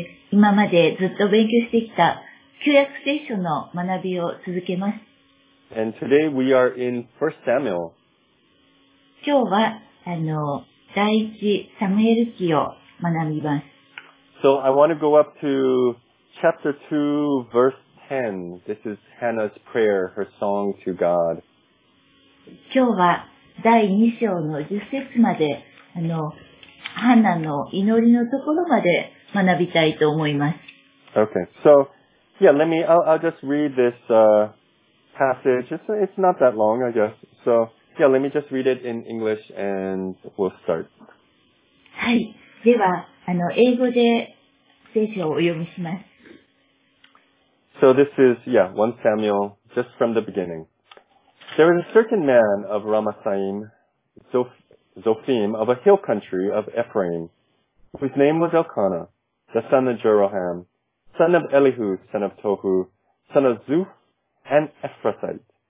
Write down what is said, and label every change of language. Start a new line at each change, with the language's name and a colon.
Japanese: 今までずっと勉強してきた旧約聖書の学びを続けます。
English: And today we are in 1 Samuel.
Japanese: 今日は第一サムエル記を学びます。
English: So I want to go up to chapter 2 verse 10. This is Hannah's prayer, her song to God.
Japanese: 今日は第2章の10節まで、ハナの祈りのところまで学びたいと思います。
English: Okay, so, yeah, I'll just read this, passage. It's not that long, I guess. So, yeah, let me just read it in English and we'll start.
Japanese: はい。では、英語で聖書をお読みします。
English: So this is, yeah, 1 Samuel, just from the beginning. There was a certain man of Ramathaim, Zophim, of a hill country of Ephraim, whose name was Elkanah. The son of Jeroham, son of Elihu, son of Tohu, son of Zuph, an Ephrathite.